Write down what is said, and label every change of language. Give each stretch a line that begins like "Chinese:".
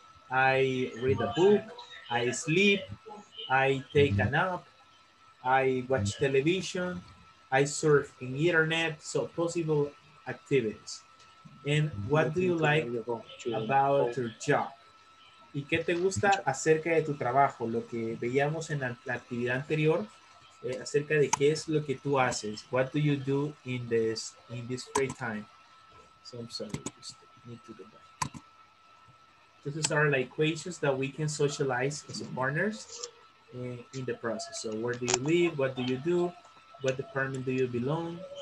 English: I read a book. I sleep. I take a nap. I watch television. I surf in the internet, so possible activities. And what do you like about your job?
Spanish: ¿Y qué te gusta acerca de tu trabajo? Lo que veíamos en la actividad anterior, acerca de qué es lo que tú haces.
English: What do you do in this free time? So I'm sorry, just need to go back. These are like questions that we can socialize as partners in the process. So where do you live? What do you do? What department do you belong?